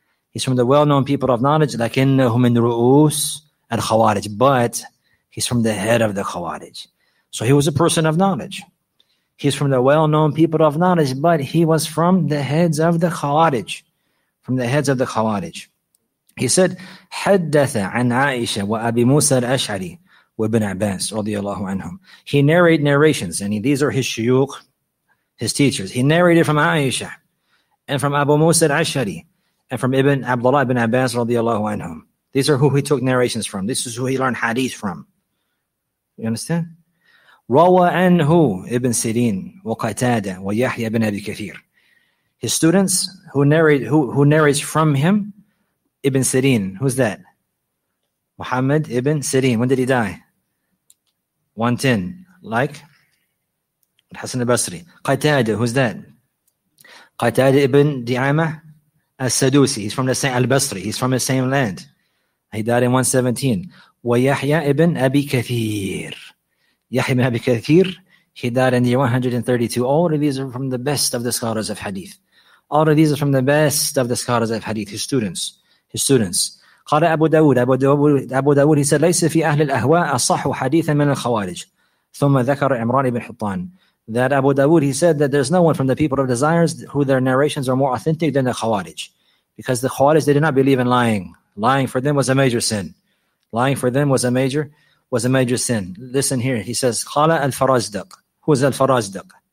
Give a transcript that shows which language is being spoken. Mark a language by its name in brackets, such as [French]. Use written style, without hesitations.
[English] He's from the well-known people of knowledge. [Arabic] لكنه من رؤوس الخوارج. [English] But he's from the head of the خوارج. So he was a person of knowledge. He's from the well-known people of knowledge. But he was from the heads of the خوارج. From the heads of the Khawarij. He said, [Arabic] حدث عن عائشة وأبي موسى الأشعري وابن عباس رضي الله عنهم. [English] He narrated narrations, and these are his shuyukh, his teachers. He narrated from Aisha, and from Abu Musa al-Ash'ari, and from Ibn Abdullah ibn Abbas رضي الله عنهم. These are who he took narrations from. This is who he learned hadith from. You understand? [Arabic] روى عنه ابن سيرين وقتادة ويحيى بن أبي كثير. [English] His students who narrates from him, Ibn Sirin. Who's that? Muhammad Ibn Sirin. When did he die? 110. Like? Hassan al-Basri. Qatada, who's that? Qatada Ibn Di'amah al-Sadusi. He's from the same al-Basri. He's from the same land. He died in 117. Wa Yahya Ibn Abi Kathir. Yahya Ibn Abi Kathir, He died in the year 132. All of these are from the best of the scholars of hadith. All of these are from the best of the scholars of hadith, his students. His students. [Arabic] قال أبو داود, أبو داود, [English] he said, [Arabic] ليس في أهل الأهواء أصح حديثا من الخوارج. ثم ذكر عمران بن حطان. [English] That Abu Dawood, he said that there's no one from the people of desires who their narrations are more authentic than the Khawarij. Because the Khawarij, they did not believe in lying. Lying for them was a major sin. Lying for them was a major sin. Listen here, he says, Qala al-Farazdaq. Who is al-Farazdaq?